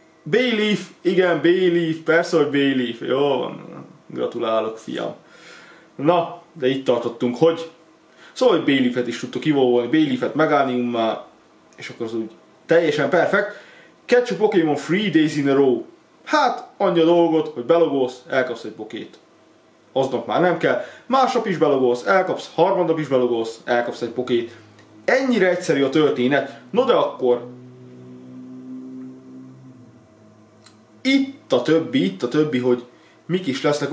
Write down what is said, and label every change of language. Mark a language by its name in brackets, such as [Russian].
[Hungarian] Bayleaf. Igen, Bayleaf. Persze, hogy Bayleaf. Jó van. Gratulálok, fiam. Na, de itt tartottunk, hogy szóval, hogy Bayleafet is tudtok evolvolni, Bayleafet Meganiummal, és akkor az úgy teljesen perfekt. [English] Catch a Pokémon 3 days in a row. [Hungarian] Hát, annyi a dolgot, hogy belogolsz, elkapsz egy pokét. Aznap már nem kell. Másnap is belogolsz, elkapsz, harmadnap is belogolsz, elkapsz egy pokét. Ennyire egyszerű a történet. No de akkor itt a többi, hogy mik is lesznek.